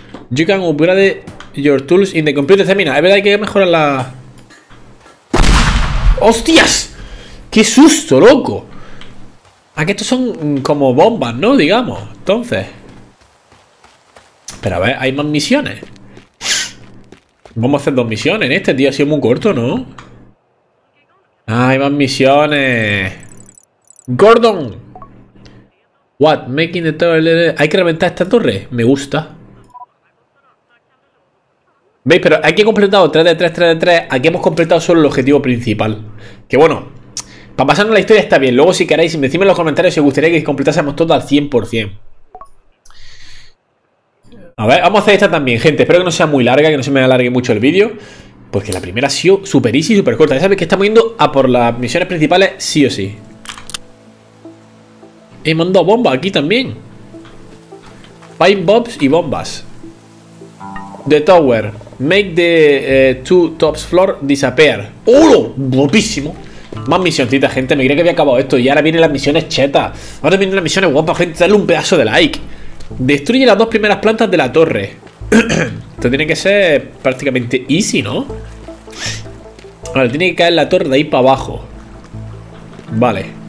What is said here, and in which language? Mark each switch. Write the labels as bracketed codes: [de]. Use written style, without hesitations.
[en] You can upgrade your tools in the computer seminar. [es] Es verdad que hay que mejorar la... ¡Hostias! ¡Qué susto, loco! Aquí estos son como bombas, ¿no? Digamos. Entonces. Pero a ver, hay más misiones. Vamos a hacer dos misiones en este, tío. Ha sido muy corto, ¿no? Ah, hay más misiones. ¡Gordon! What? [en] Making the tower. [es] Hay que reventar esta torre. Me gusta. ¿Veis? Pero aquí he completado 3 de 3. Aquí hemos completado solo el objetivo principal. Que bueno. Para pasarnos la historia está bien. Luego, si queréis, decidme en los comentarios si os gustaría que completásemos todo al 100%. A ver, vamos a hacer esta también, gente. Espero que no sea muy larga, que no se me alargue mucho el vídeo. Porque la primera ha sido super easy, super corta. Ya sabéis que estamos yendo a por las misiones principales, sí o sí. He mandado bombas aquí también. [en] Pipe bombs [es] y bombas. [en] The tower. Make the two tops floor disappear. [es] ¡Oh! ¡Guapísimo! Más misioncitas, gente. Me creía que había acabado esto. Y ahora vienen las misiones chetas. Ahora vienen las misiones guapas, gente. Dale un pedazo de like. Destruye las dos primeras plantas de la torre. Esto tiene que ser prácticamente easy, ¿no? Vale, tiene que caer la torre de ahí para abajo. Vale.